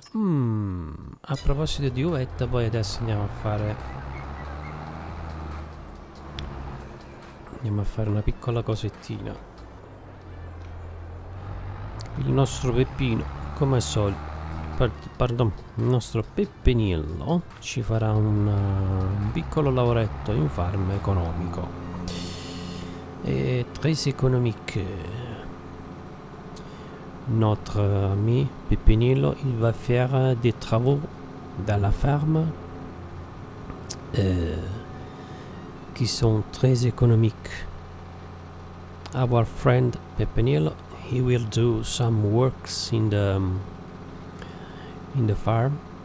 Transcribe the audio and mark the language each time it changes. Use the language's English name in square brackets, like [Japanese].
[Italian] A proposito di uvetta, poi adesso andiamo a fare una piccola cosettina. Il nostro Peppino, come al solito, il nostro Peppeniello ci farà un piccolo lavoretto in farm economico. [French] E très économique. Notre ami Peppeniello, il va faire des travaux dans la ferme qui sont très économiques. [English] Our friend Peppeniello, he will do some works in the farm.